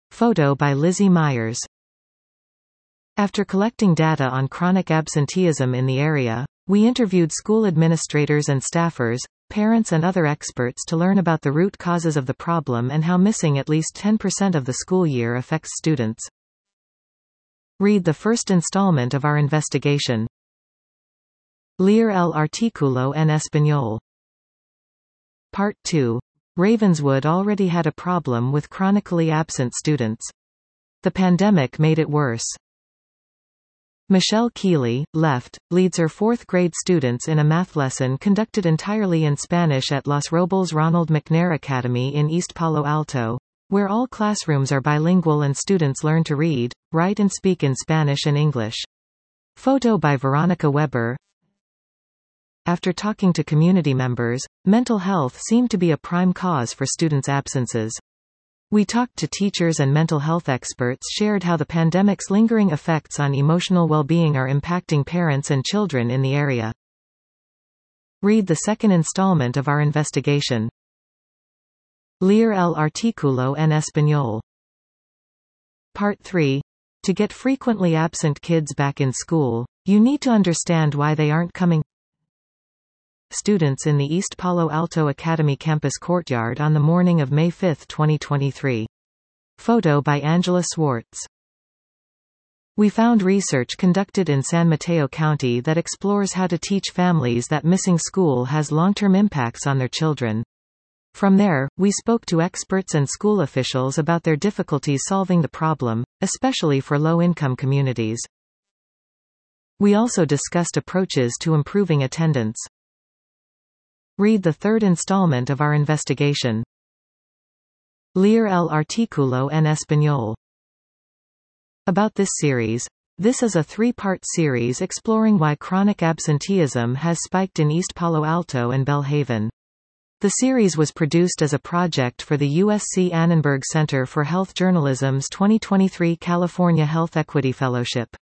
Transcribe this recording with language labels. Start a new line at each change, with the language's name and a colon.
English: Photo by Lizzie Myers. After collecting data on chronic absenteeism in the area, we interviewed school administrators and staffers, parents and other experts to learn about the root causes of the problem and how missing at least 10% of the school year affects students. Read the first installment of our investigation.
Spanish: Leer el artículo en español.
English: Part 2. Ravenswood already had a problem with chronically absent students. The pandemic made it worse. Michelle Keeley, left, leads her fourth grade students in a math lesson conducted entirely in Spanish at Los Robles Ronald McNair Academy in East Palo Alto, where all classrooms are bilingual and students learn to read, write and speak in Spanish and English. Photo by Veronica Weber. After talking to community members, mental health seemed to be a prime cause for students' absences. We talked to teachers and mental health experts shared how the pandemic's lingering effects on emotional well-being are impacting parents and children in the area. Read the second installment of our investigation.
Spanish: Leer el artículo en español.
English: Part 3. To get frequently absent kids back in school, you need to understand why they aren't coming. Students in the East Palo Alto Academy campus courtyard on the morning of May 5, 2023. Photo by Angela Swartz. We found research conducted in San Mateo County that explores how to teach families that missing school has long-term impacts on their children. From there, we spoke to experts and school officials about their difficulties solving the problem, especially for low-income communities. We also discussed approaches to improving attendance. Read the third installment of our investigation.
Spanish: Leer el artículo en español.
English: About this series, this is a three-part series exploring why chronic absenteeism has spiked in East Palo Alto and Belhaven. The series was produced as a project for the USC Annenberg Center for Health Journalism's 2023 California Health Equity Fellowship.